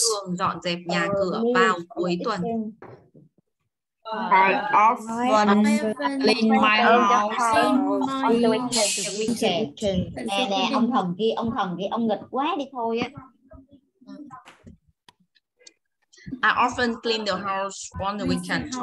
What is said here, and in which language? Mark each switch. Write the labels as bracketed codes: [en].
[vi] tôi thường dọn dẹp nhà cửa vào cuối tuần. [en] I often clean my house on the weekend. [vi] Nè nè ông thần ghi ông nghịch quá đi thôi á. [en] I often clean the house on the weekend.